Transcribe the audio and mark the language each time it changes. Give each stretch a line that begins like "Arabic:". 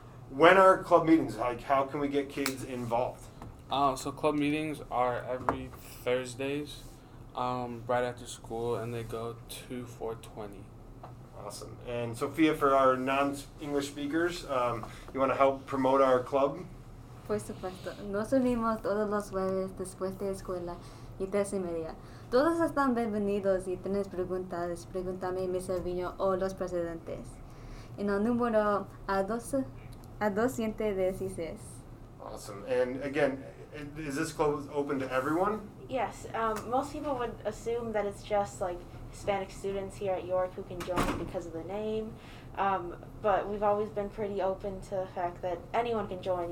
English: When are club meetings? Like, how can we get kids involved? So club meetings are every Thursdays right after school, and they go 2-4:20. Awesome. And Sophia, for our non-English speakers, you want to help promote our club?
Spanish: Por supuesto. Nos unimos todos los jueves después de escuela y 3:30. Todos están bienvenidos y tienes preguntas, pregúntame, Mr. Viño o los presidentes. En el número a 12, A 216.
English: Awesome. And again, is this club open to everyone? Yes. Most people would assume that it's just like Hispanic students here at York who can join because of the name. But we've always been pretty open to the fact that anyone can join.